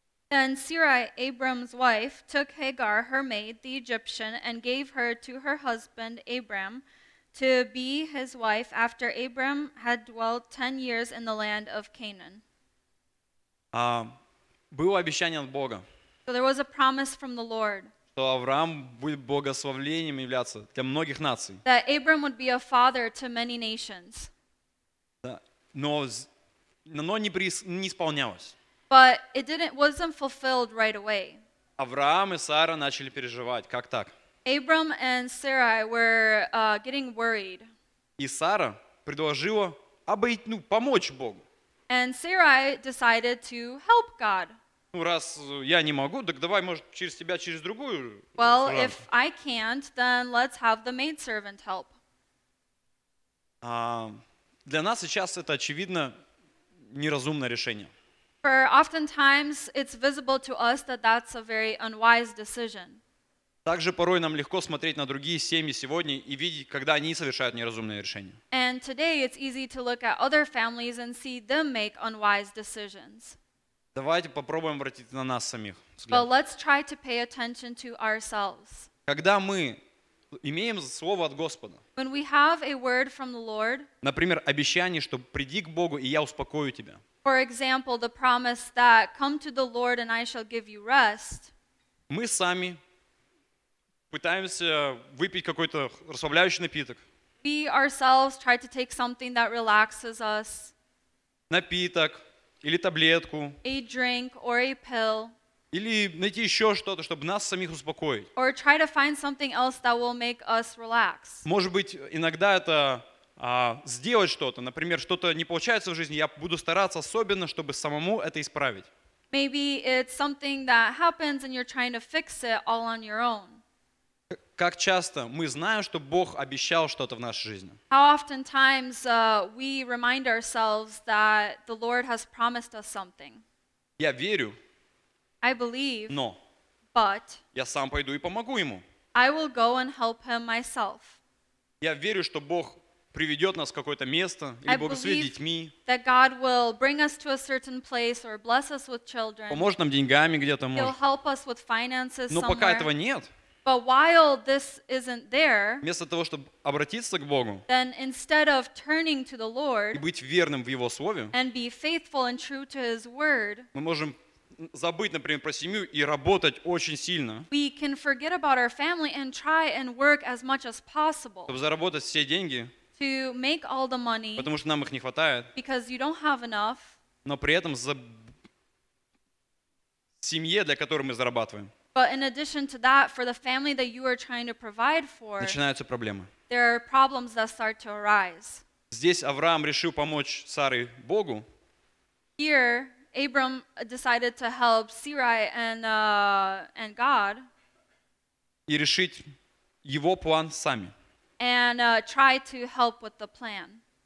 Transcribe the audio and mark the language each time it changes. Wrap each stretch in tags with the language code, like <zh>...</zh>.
<en>Then Sarai, Abram's wife, took Hagar, her maid, the Egyptian, and gave her to her husband, Abram, to be his wife after Abram had dwelt 10 years in the land of Canaan.</en> <ru>Было обещание от Бога.</ru> <en>So there was a promise from the Lord.</en> <ru>Что Авраам будет благословением являться для многих наций.</ru> <en>That Abram would be a father to many nations.</en> <ru>Да. Но не исполнялось.</ru> <en>But it wasn't fulfilled right away.</en> <ru>Авраам и Сара начали переживать. Как так?</ru> <en>Abram and Sarai were getting worried.</en> <ru>И Сара предложила обойти, ну, помочь Богу.</ru> <en>And Sarai decided to help God.</en> <ru>Ну, раз я не могу, так давай, может, через тебя, через другую.</ru> <en>Well, if I can't, then let's have the maidservant help.</en> <ru>Для нас сейчас это, очевидно, неразумное решение.</ru> <en>For oftentimes, it's visible to us that that's a very unwise decision.</en> <ru>Также порой нам легко смотреть на другие семьи сегодня и видеть, когда они совершают неразумные решения.</ru> <en>And today, it's easy to look at other families and see them make unwise decisions.</en> <ru>Давайте попробуем обратить на нас самих взгляд.</ru> <en>But let's try to pay attention to ourselves.</en> <ru>Когда мы имеем слово от Господа.</ru> <en>When we have a word from the Lord.</en> <ru>Например, обещание, что приди к Богу, и я успокою тебя.</ru> <en>For example, the promise that come to the Lord and I shall give you rest.</en> <ru>Мы сами пытаемся выпить какой-то расслабляющий напиток.</ru> <en>We ourselves try to take something that relaxes us.</en> <ru>Напиток или таблетку.</ru> <en>A drink or a pill.</en> <ru>Или найти еще что-то, чтобы нас самих успокоить.</ru> <en>Or try to find something else that will make us relax.</en> <ru>Может быть, иногда это сделать что-то, например, что-то не получается в жизни, я буду стараться особенно, чтобы самому это исправить.</ru> <en>Maybe it's something that happens and you're trying to fix it all on your own.</en> <ru>Как часто мы знаем, что Бог обещал что-то в нашей жизни?</ru> <en>How often times we remind ourselves that the Lord has promised us something?</en> <ru>Я верю.</ru> <en>I believe.</en> <ru>Но.</ru> <en>But.</en> <ru>Я сам пойду и помогу ему.</ru> <en>I will go and help him myself.</en> <ru>Я верю, что Бог приведет нас в какое-то место или благословит детьми.</ru> <en>That God will bring us to a certain place or bless us with children.</en> <ru>Поможет нам деньгами где-то, может.</ru> <en>He'll help us with finances somewhere.</en> <ru>Но пока этого нет.</ru> <en>But while this isn't there,</en> <ru>вместо того, чтобы обратиться к Богу,</ru> <en>then instead of turning to the Lord,</en> <ru>и быть верным в Его Слове,</ru> <en>and be faithful and true to His Word,</en> <ru>мы можем забыть, например, про семью и работать очень сильно,</ru> <en>we can forget about our family and try and work as much as possible,</en> <ru>чтобы заработать все деньги,</ru> <en>to make all the money,</en> <ru>потому что нам их не хватает,</ru> <en>because you don't have enough,</en> <ru>но при этом семье, для которой мы зарабатываем.</ru> <en>But in addition to that, for the family that you are trying to provide for,</en> <ru>начинаются проблемы.</ru> <en>There are problems that start to arise.</en> <ru>Здесь Авраам решил помочь Саре Богу.</ru> <en>Here, Abram decided to help Sarai and God.</en> <ru>И решить его план сами.</ru> <en>And try to help with the plan.</en>